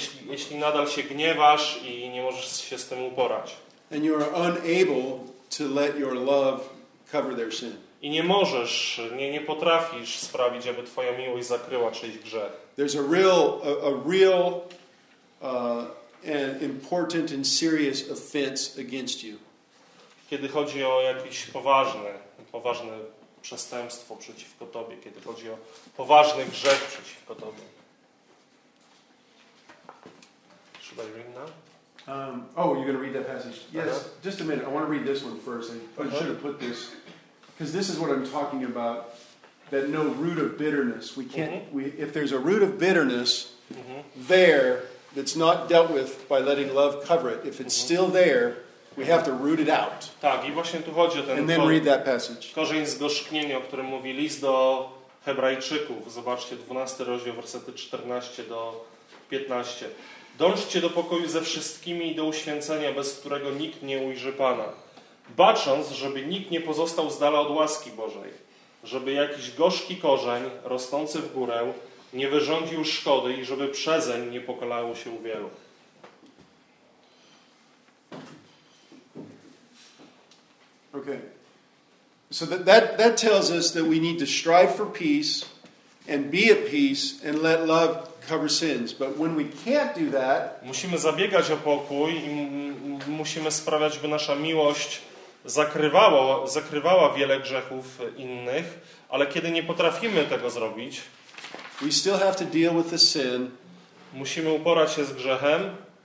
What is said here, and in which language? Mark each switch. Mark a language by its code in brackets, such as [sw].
[pl] Jeśli nadal się gniewasz i nie możesz się z tym uporać. [en] And you are unable to let your love cover their sin. [pl] I nie możesz, nie potrafisz sprawić, aby twoja miłość zakryła czyjś grzech. [en] There's a real an important and serious offense against you. [pl] Kiedy chodzi o jakieś poważne przestępstwo przeciwko tobie, kiedy chodzi o poważny grzech przeciwko tobie. [en] Should I read now? You're going to read that passage. Yes, uh-huh. Just a minute. I want to read this one first. I should have put this, because this is what I'm talking about, that no root of bitterness. We can't. Mm-hmm. If there's a root of bitterness there, that's not dealt with by letting love cover it. If it's still there, we have to root it out. [pl] Tak, i właśnie tu chodzi o ten. [en] And then read that passage. [pl] Korzeń zgorzknienia, o którym mówi list do Hebrajczyków. Zobaczcie, 12 rozdział, wersety 14 do 15. Dążcie do pokoju ze wszystkimi i do uświęcenia, bez którego nikt nie ujrzy Pana. Bacząc, żeby nikt nie pozostał z dala od łaski Bożej. Żeby jakiś gorzki korzeń, rosnący w górę, nie wyrządził szkody i żeby przezeń nie pokalało się u wielu. [en] Okay. So that tells us that we need to strive for peace and be at peace and let love cover sins. But when we can't do that, [pl] musimy zabiegać o pokój i musimy sprawiać, by nasza miłość zakrywała wiele grzechów innych, ale kiedy nie potrafimy tego zrobić, [en] we still have to deal with the sin. [pl] Musimy uporać się z grzechem.